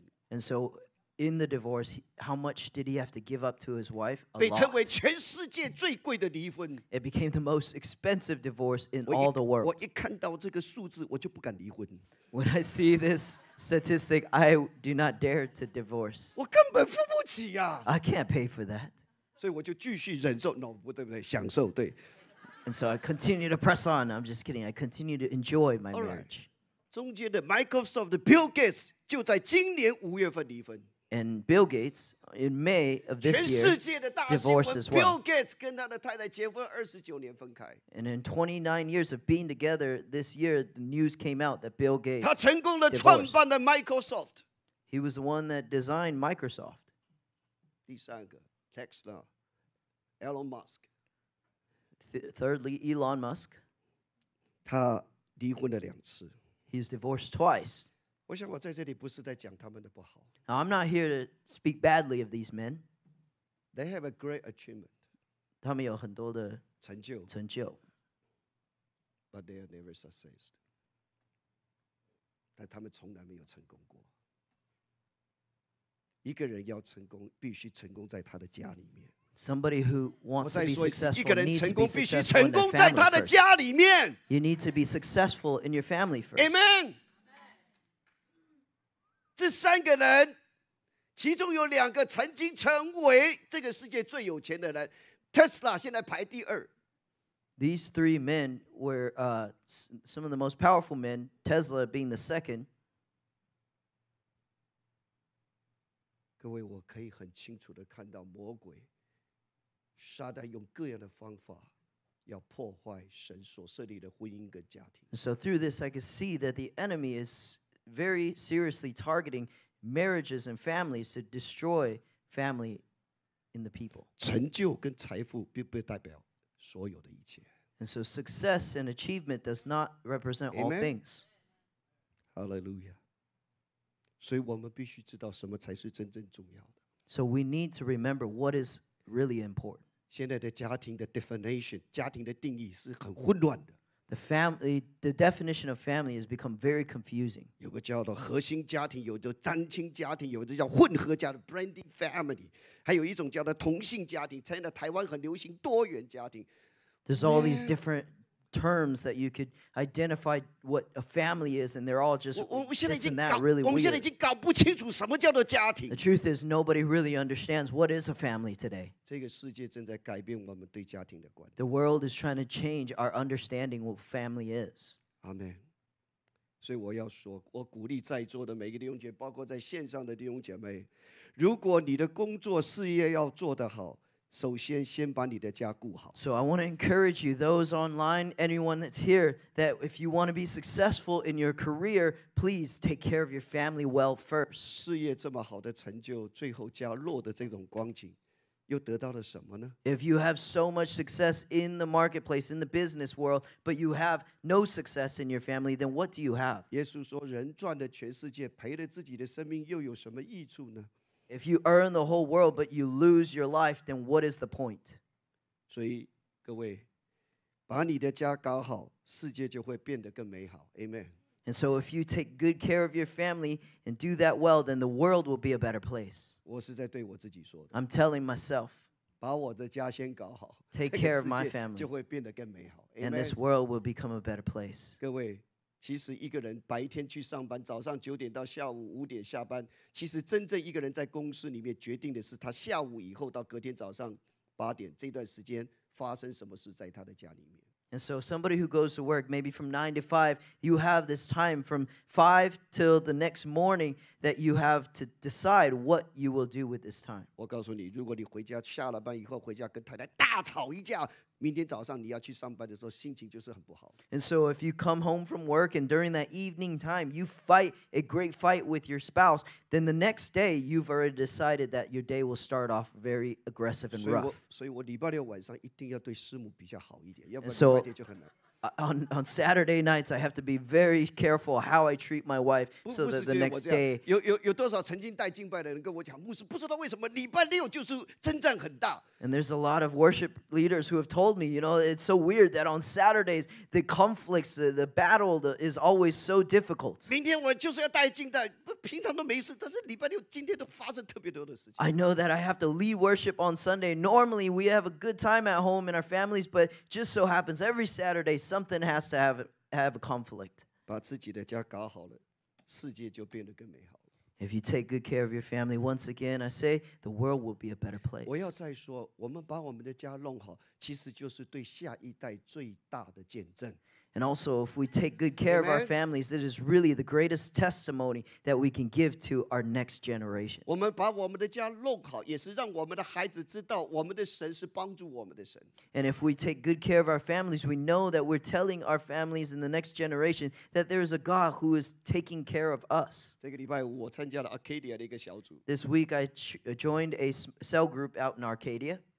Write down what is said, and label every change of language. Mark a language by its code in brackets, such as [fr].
[en] And so, in the divorce, how much did he have to give up to his wife? A lot. [zh] 被称为全世界最贵的离婚。 [en] It became the most expensive divorce in all the world. [zh] 我一看到这个数字，我就不敢离婚。 [en] When I see this statistic, I do not dare to divorce. [zh] 我根本付不起啊。 [en] I can't pay for that. [zh] 所以我就继续忍受 [en] no, [zh] 不对不对，享受对。 [en] And so I continue to press on. I'm just kidding. I continue to enjoy my marriage. [zh] 中间的 Microsoft Bill Gates 就在今年五月份离婚。 [en] And Bill Gates, in May of this year, divorced as well. [zh] Bill Gates 跟他的太太结婚29年分开。 [en] And in 29 years of being together this year, the news came out that Bill Gates [zh] 他成功的创办了 Microsoft. [en] He was the one that designed Microsoft. [zh] 第三个 Tesla, Elon Musk. [en] Thirdly, Elon Musk. [zh] 他离婚了两次。 [en] He's divorced twice. [zh] 我想我在这里不是在讲他们的不好。 [en] Now, I'm not here to speak badly of these men. They have a great achievement. [zh] 他们有很多的成就。成就。 [en] But they are never successful. [zh] 但他们从来没有成功过。一个人要成功，必须成功在他的家里面。 [en] Somebody who wants to be successful, [zh] 一个人成功 [en] needs to be [zh] 必须成功在他的家里面。 [en] You need to be successful in your family first. Amen. [zh] 这三个人，其中有两个曾经成为这个世界最有钱的人 ，Tesla 现在排第二。 [en] These three men were some of the most powerful men, Tesla being the second. [zh] 各位，我可以很清楚的看到魔鬼，撒旦用各样的方法。要破坏神所设立的婚姻跟家庭。 [en] So through this, I can see that the enemy is. Very seriously targeting marriages and families to destroy family in the people. [zh] 成就跟财富并不代表所有的一切。 [en] And so success and achievement does not represent all things. Hallelujah. [zh] 所以我们必须知道什么才是真正重要的。 [en] So we need to remember what is really important. [zh] 现在的家庭的 [en] definition, [zh] 家庭的定义是很混乱的。 [en] The definition of family has become very confusing. [zh] 有个叫做核心家庭，有个单亲家庭，有个叫混合家的 [en] blended family， [zh] 还有一种叫做同性家庭。现在台湾很流行多元家庭。 [en] There's all these different terms that you could identify what a family is, and they're all just this and that really weird. [zh] 我们现在已经搞不清楚什么叫做家庭。 [en] The truth is, nobody really understands what is a family today. [zh] 这个世界正在改变我们对家庭的观念。 [en] The world is trying to change our understanding what family is. Amen. [zh] 所以我要说，我鼓励在座的每个弟兄姐妹，包括在线上的弟兄姐妹，如果你的工作事业要做得好。首先先把你的家顾好。 [en] So I want to encourage you, those online, anyone that's here, that if you want to be successful in your career, please take care of your family well first. [zh] 事业这么好的成就，最后家落的这种光景，又得到了什么呢？ [en] If you have so much success in the marketplace, in the business world, but you have no success in your family, then what do you have? [zh] 耶稣说，人赚了全世界，赔了自己的生命，又有什么益处呢？ [en] If you earn the whole world but you lose your life, then what is the point? [zh] 所以各位，把你的家搞好，世界就会变得更美好。 [en] Amen. And so if you take good care of your family and do that well, then the world will be a better place. [zh] 我是在对我自己说的。 [en] I'm telling myself. [zh] 把我的家先搞好。 [en] Take care of my family. [zh] 就会变得更美好。 [en] And this world will become a better place. [zh] 各位。其实一个人白天去上班，早上九点到下午五点下班。其实真正一个人在公司里面决定的是他下午以后到隔天早上八点这段时间发生什么事在他的家里面。 And so somebody who goes to work, maybe from 9 to 5, you have this time from 5 till the next morning that you have to decide what you will do with this time. 我告诉你，如果你回家下了班以后回家跟太太大吵一架，明天早上你要去上班的时候心情就是很不好。 And so if you come home from work and during that evening time you fight a great fight with your spouse, then the next day you've already decided that your day will start off very aggressive and rough. 所以我礼拜六晚上一定要对师母比较好一点，要不然礼拜天就很难。 [en] On Saturday nights, I have to be very careful how I treat my wife so that the next day. [zh] 有多少曾经带敬拜的人跟我讲，牧师不知道为什么礼拜六就是征战很大。 [en] And there's a lot of worship leaders who have told me, you know, it's so weird that on Saturdays the conflicts, the battle, is always so difficult. [zh] 明天我就是要带敬拜，平常都没事，但是礼拜六今天都发生特别多的事情。 [en] I know that I have to lead worship on Sunday. Normally we have a good time at home in our families, but just so happens every Saturday. Something has to have a conflict. [zh] 把自己的家搞好了，世界就变得更美好了。 [en] If you take good care of your family, once again, I say the world will be a better place. [zh] 我要再说，我们把我们的家弄好，其实就是对下一代最大的见证。 [en] And also, if we take good care of our families, it is really the greatest testimony that we can give to our next generation. [zh] 我们把我们的家弄好，也是让我们的孩子知道我们的神是帮助我们的神。 [en] And if we take good care of our families, we know that we're telling our families in the next generation that there is a God who is taking care of us. [zh] 这个礼拜五我参加了 Arcadia 的一个小组。 [en] This week I joined a cell group out in Arcadia.